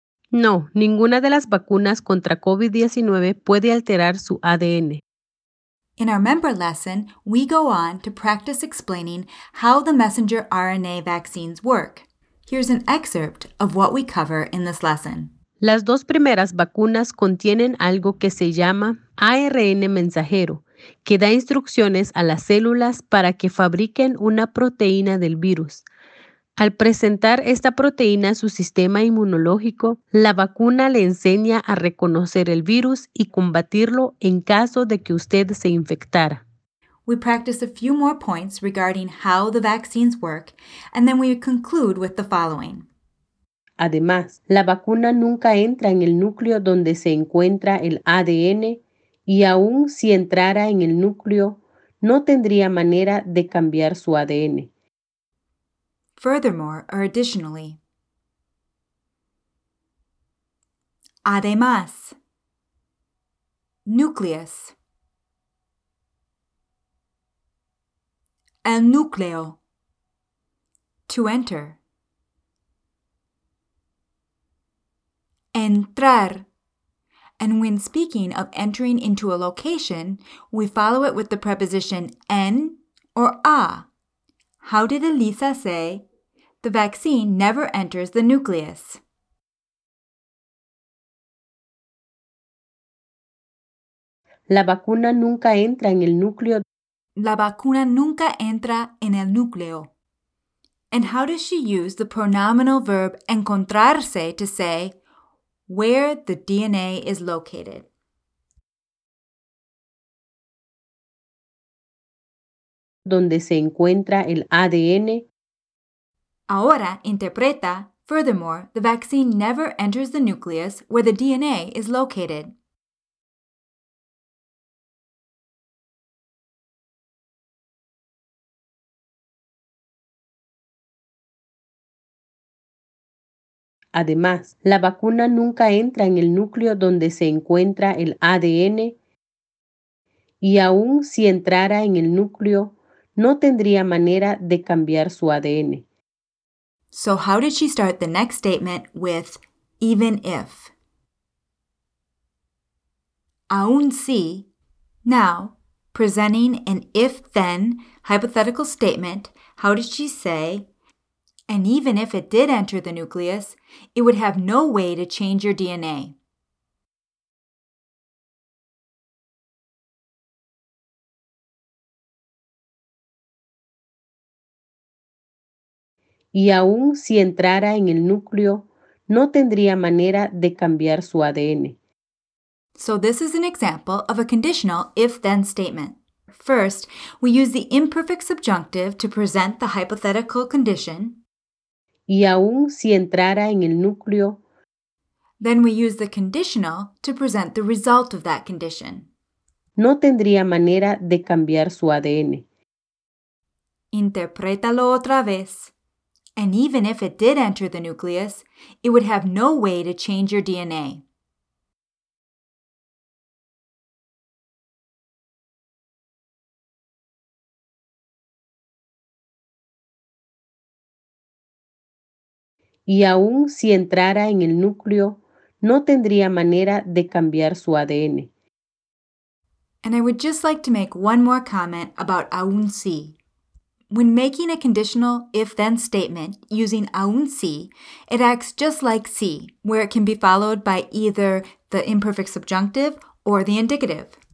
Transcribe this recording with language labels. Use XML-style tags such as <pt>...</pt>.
<es>No, ninguna de las vacunas contra COVID-19 puede alterar su ADN.</es> <en>In our member lesson, we go on to practice explaining how the messenger RNA vaccines work. Here's an excerpt of what we cover in this lesson.</en> <es>Las dos primeras vacunas contienen algo que se llama ARN mensajero, que da instrucciones a las células para que fabriquen una proteína del virus. Al presentar esta proteína a su sistema inmunológico, la vacuna le enseña a reconocer el virus y combatirlo en caso de que usted se infectara.</es> <en>We practice a few more points regarding how the vaccines work, and then we conclude with the following.</en> <es>Además, la vacuna nunca entra en el núcleo donde se encuentra el ADN, y aún si entrara en el núcleo, no tendría manera de cambiar su ADN.</es> <en>Furthermore, or additionally.</en> <es>Además.</es> <en>Nucleus.</en> <es>El núcleo,</es> <en>to enter, entrar, and when speaking of entering into a location, we follow it with the preposition en or a. How did Elisa say, the vaccine never enters the nucleus?</en> <es>La vacuna nunca entra en el núcleo. La vacuna nunca entra en el núcleo.</es> <en>And how does she use the pronominal verb encontrarse to say where the DNA is located?</en> <es>Donde se encuentra el ADN. Ahora interpreta,</es> <en>furthermore, the vaccine never enters the nucleus where the DNA is located.</en> <es>Además, la vacuna nunca entra en el núcleo donde se encuentra el ADN. Y aún si entrara en el núcleo, no tendría manera de cambiar su ADN.</es> <en>So how did she start the next statement with even if? Aún si, now, presenting an if-then hypothetical statement, how did she say, and even if it did enter the nucleus, it would have no way to change your DNA.</en> <es>Y aún si entrara en el núcleo, no tendría manera de cambiar su ADN.</es> <en>So this is an example of a conditional if-then statement. First, we use the imperfect subjunctive to present the hypothetical condition.</en> <es>Y aún si entrara en el núcleo.</es> <en>Then we use the conditional to present the result of that condition.</en> <es>No tendría manera de cambiar su ADN. Interprétalo otra vez.</es> <en>And even if it did enter the nucleus, it would have no way to change your DNA.</en> <es>Y aún si entrara en el núcleo, no tendría manera de cambiar su ADN.</es> <en>And I would just like to make one more comment about aún si. When making a conditional if-then statement using aún si, it acts just like si, where it can be followed by either the imperfect subjunctive or the indicative.</en>